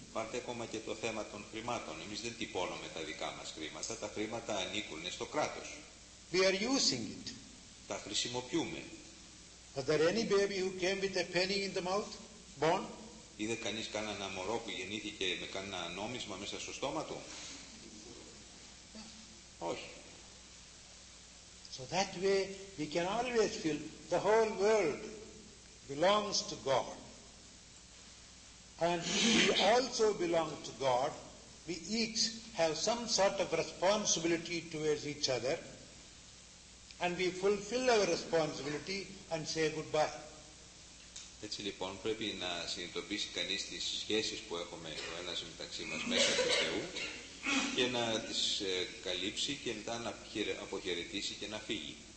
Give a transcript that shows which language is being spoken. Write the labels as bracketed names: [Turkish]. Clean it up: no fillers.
[Greek] Πάρτε ακόμα και το θέμα των χρημάτων. Εμείς δεν τυπώνουμε τα δικά μας χρήματα. Τα χρήματα ανήκουν στο κράτος. [English] We are using it. [Greek] Τα χρησιμοποιούμε. [English] Is there any baby who came with a penny in the mouth, born? [Greek] Είδε κανείς κανένα μωρό που γεννήθηκε με κανένα νόμισμα μέσα στο στόμα του? [English] Yeah. [Greek] Όχι. [English] So that way we can always feel the whole world belongs to God. And we also belong to God. We each have some sort of responsibility towards each other. And we fulfill our responsibility and say goodbye. [Greek] Έτσι λοιπόν πρέπει να συνειδητοποιήσει κανείς τις σχέσεις που έχουμε ο ένας μεταξύ μας μέσα του Θεού και να τις καλύψει και μετά να αποχαιρετήσει και να φύγει.